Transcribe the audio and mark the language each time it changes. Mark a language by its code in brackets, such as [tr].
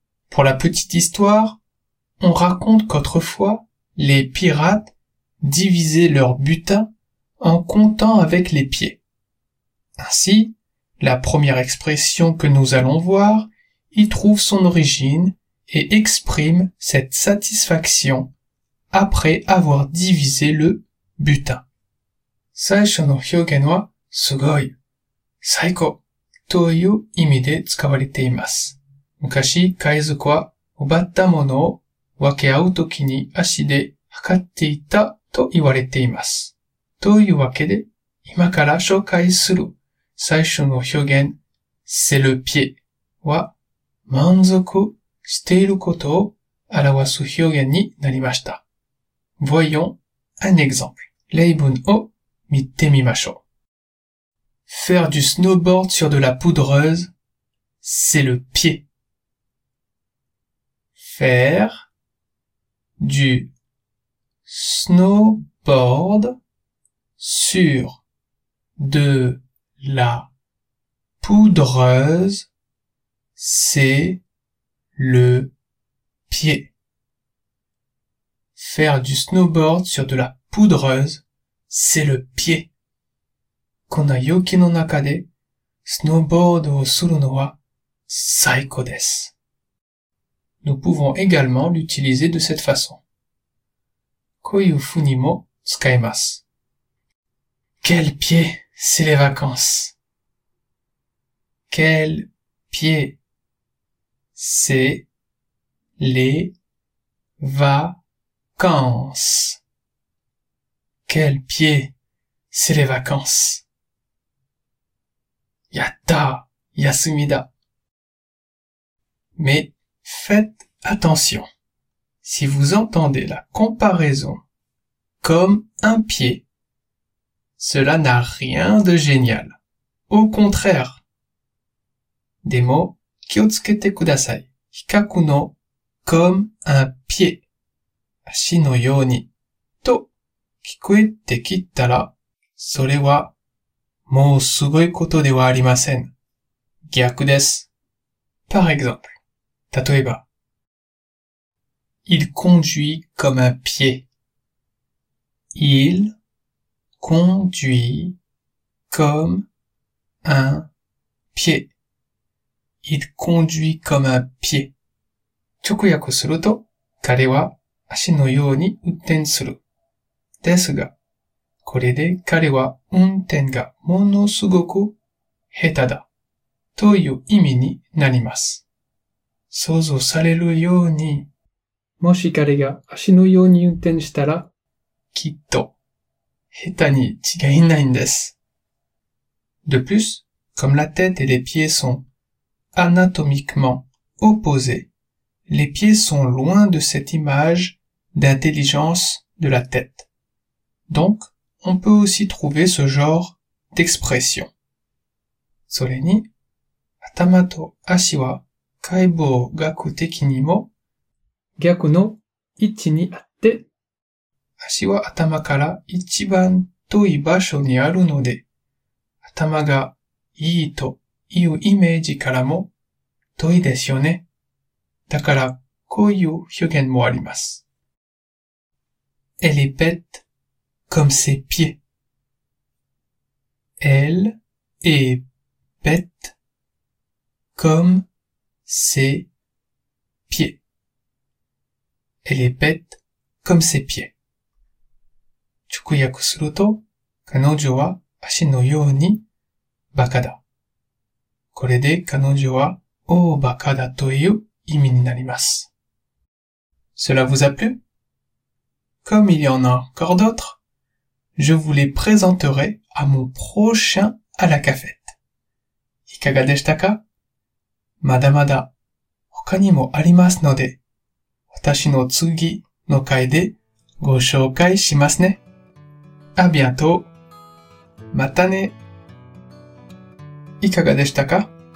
[fr] Pour la petite histoire, on raconte qu'autrefois, les pirates divisaient leur butin en comptant avec les pieds. Ainsi, la première expression que nous allons voir y trouve son origine et exprime cette satisfaction après avoir divisé le butin. [ja] 最初の表現はすごい。最高。という意味で使われています。昔、海賊は奪ったものを分け合うときに足で測っていたと言われています。というわけで、今から紹介する最初の表現、 [fr] c'est le pied [ja] は満足していることを表す表現になりました。 [fr] Voyons un exemple. [ja] 例文を見てみましょう。 [fr] Faire du snowboard sur de la poudreuse, c'est le pied. Faire du snowboard sur de la poudreuse, c'est le pied. Faire du snowboard sur de la poudreuse, c'est le pied. [ja] この雪の中でスノーボードをするのは最高です。 [fr] Nous pouvons également l'utiliser de cette façon. [ja] こういうふうにも使えます。 [fr] Quel pied, c'est les vacances! Quel pied, c'est les vacances! Quel pied, c'est les vacances! [ja] やった!休みだ! [fr] Mais faites attention. Si vous entendez la comparaison comme un pied, cela n'a rien de génial. Au contraire. [ja] でも気をつけてください。比較の [fr] comme un pied, [ja] 足のようにと聞こえてきたら、それはもうすごいことではありません。逆です。 [fr] Par exemple. [ja] 例えば。 [fr] Il conduit comme un pied. Il conduit comme un pied. Il conduit comme un pied. [ja] 直訳すると、彼は足のように運転する。ですが、これで彼は運転がものすごく下手だという意味になります。想像されるように、もし彼が足のように運転したら、きっと下手に違いないんです。 [fr] De plus, comme la tête et les pieds sont anatomiquement opposés, les pieds sont loin de cette image d'intelligence de la tête. Donc,on peut aussi trouver ce genre d'expression. [ja] それに、頭と足は解剖学的にも逆の位置にあって、足は頭から一番遠い場所にあるので、頭がいいというイメージからも遠いですよね。だからこういう表現もあります。 [fr] Elle est bête. Comme ses pieds. Elle est bête comme ses pieds. Elle est bête comme ses pieds. [ja] 直訳すると、彼女は足のようにバカだ。これで彼女は大バカだという意味になります。 [fr] Cela vous a plu? Comme il y en a encore d'autres, je vous les présenterai à mon prochain à la cafette. [ja] いかがでしたか? まだまだ他にもありますので、私の次の回でご紹介しますね。 [fr] À bientôt. [ja] またね。いかがでしたか?